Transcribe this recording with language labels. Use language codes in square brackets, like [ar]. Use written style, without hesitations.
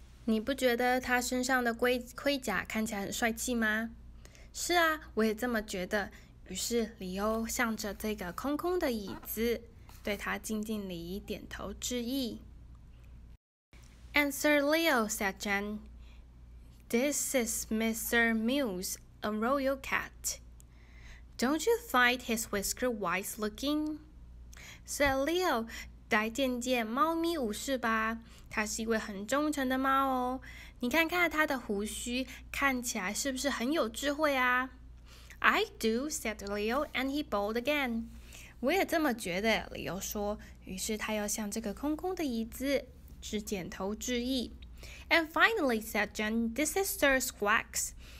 [zh] 你不觉得他身上的盔甲看起来很帅气吗？是啊，我也这么觉得。于是李欧向着这个空空的椅子，对他敬敬礼，点头致意。 [en] And Sir Leo said, "Jen, this is Mr. Muse, a royal cat." Don't you find his whisker wise looking? [zh] Sir Leo, 来见见猫咪武士吧。他是一位很忠诚的猫哦。你看看他的胡须，看起来是不是很有智慧啊？ [en] I do, said Leo, and he bowed again. [zh] 我也这么觉得， Leo 说。于是他要向这个空空的椅子，只点头致意。 [en] And finally, said John, this is Sir Squawks.